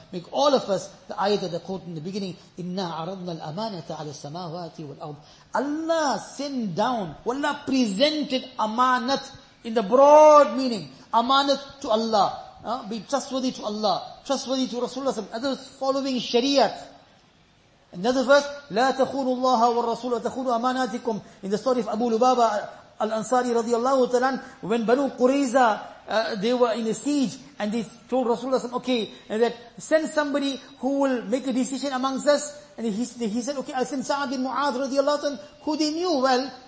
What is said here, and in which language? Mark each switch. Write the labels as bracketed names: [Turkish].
[English] Make all of us, the ayat that I quote in the beginning, [Arabic] Inna aradna al-amanata ala samawati wal-ard. [English] Allah sent down, Allah presented amanat in the broad meaning. Amanat to Allah. Be trustworthy to Allah. Trustworthy to Rasulullah. Others following Shariat. Another verse, [Arabic] لا تخونوا الله والرسول وتخونوا أماناتكم. [English] In the story of Abu Lubaba al-Ansari radiallahu ta'ala, when Banu Qurayza, they were in a siege, and they told Rasulullah SAW, okay, that send somebody who will make a decision amongst us. And he said, okay, I'll send Sa'ad bin Mu'adh radiallahu ta'ala, who they knew well,